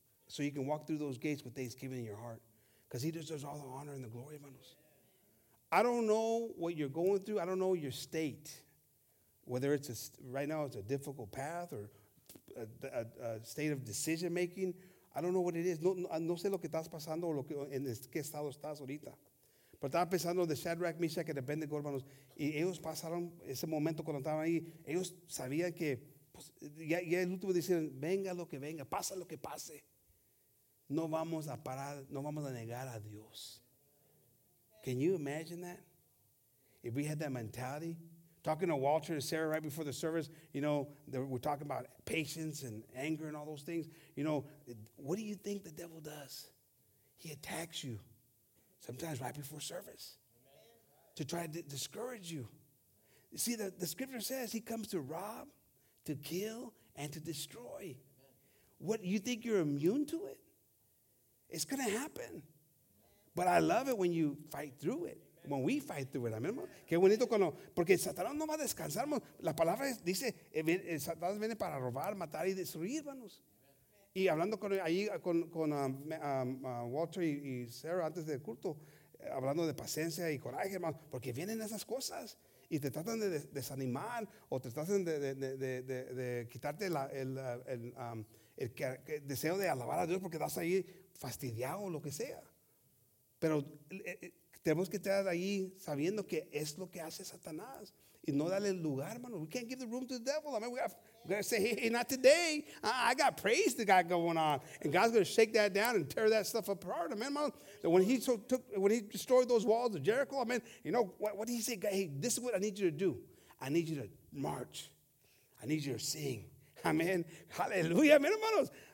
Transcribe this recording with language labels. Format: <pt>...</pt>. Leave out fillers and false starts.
<en>So you can walk through those gates with thanksgiving in your heart. Because he deserves all the honor and the glory of us. I don't know what you're going through. I don't know your state. Whether it's right now it's a difficult path or a state of decision making. I don't know what it is.</en> <es>No sé lo que estás pasando o en qué estado estás ahorita. Pero estaba pensando de Shadrach, Meshach, y Abednego, hermanos. Y ellos pasaron ese momento cuando estaban ahí. Ellos sabían que ya el último decían, venga lo que venga, pasa lo que pase. No vamos a parar, no vamos a negar a Dios.</es> <en>Can you imagine that? If we had that mentality, talking to Walter and Sarah right before the service, you know, we're talking about patience and anger and all those things. You know, what do you think the devil does? He attacks you sometimes right before service to try to discourage you. You see, the scripture says he comes to rob, to kill, and to destroy. What, you think you're immune to it? It's going to happen. But I love it when you fight through it. When we fight through it, amen.</en> <es>Qué bonito cuando, porque Satanás no va a descansar. La palabra dice, Satanás viene para robar, matar y destruir, hermanos. Y hablando con Walter y Sarah antes del culto, hablando de paciencia y coraje, hermano, porque vienen esas cosas y te tratan de desanimar o te tratan de quitarte la, el deseo de alabar a Dios porque estás ahí fastidiado o lo que sea. Pero tenemos que estar ahí sabiendo que es lo que hace Satanás y no darle el lugar, hermano.</es> <en>We can't give the room to the devil. I mean, we gotta say, hey, not today. I got praise to God going on. And God's going to shake that down and tear that stuff apart. Amen, hermano. When he destroyed those walls of Jericho, I mean, you know, what did he say? Hey, this is what I need you to do. I need you to march. I need you to sing. Amen. Hallelujah. Amen, hermanos.</en>